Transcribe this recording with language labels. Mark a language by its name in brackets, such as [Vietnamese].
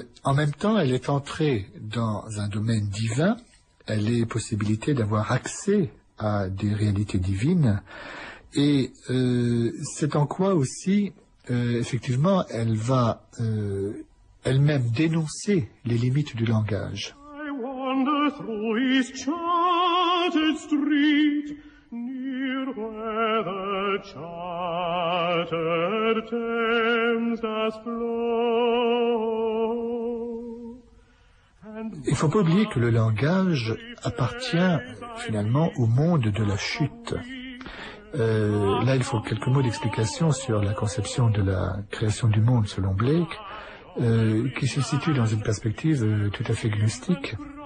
[French] En même temps, elle est entrée dans un domaine divin, elle est possibilité d'avoir accès à des réalités divines, et c'est en quoi aussi, effectivement, elle va elle-même dénoncer les limites du langage. [English] I wander through his charted street, near where the chartered Thames does flow. [French] Il ne faut pas oublier que le langage appartient finalement au monde de la chute. Là, il faut quelques mots d'explication sur la conception de la création du monde selon Blake, qui se situe dans une perspective tout à fait gnostique.